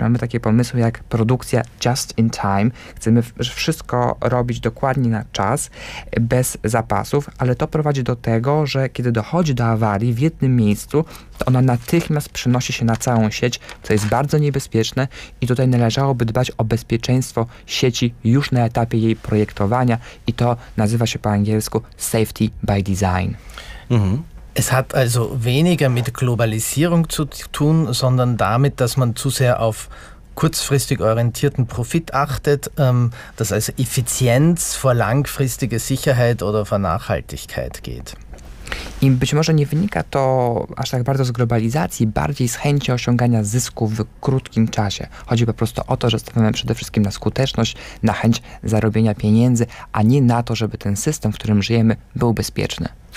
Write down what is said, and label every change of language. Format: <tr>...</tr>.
<pl>Mamy takie pomysły jak produkcja just in time. Chcemy wszystko robić dokładnie na czas, bez zapasów, ale to prowadzi do tego, że kiedy dochodzi do awarii w jednym miejscu, to ona natychmiast przenosi się na całą sieć, co jest bardzo niebezpieczne i tutaj należałoby dbać o bezpieczeństwo sieci już na etapie jej projektowania i to nazywa się po angielsku safety by design. Mhm.</pl> <de>Es hat also weniger mit Globalisierung zu tun, sondern damit, dass man zu sehr auf kurzfristig orientierten Profit achtet, dass also Effizienz vor langfristiger Sicherheit oder vor Nachhaltigkeit geht.</de> <pl>I być może nie wynika to aż tak bardzo z globalizacji, bardziej z chęci osiągania zysku w krótkim czasie. Chodzi po prostu o to, że stawiamy przede wszystkim na skuteczność, na chęć zarobienia pieniędzy, a nie na to, żeby ten system, w którym żyjemy, był bezpieczny.</pl>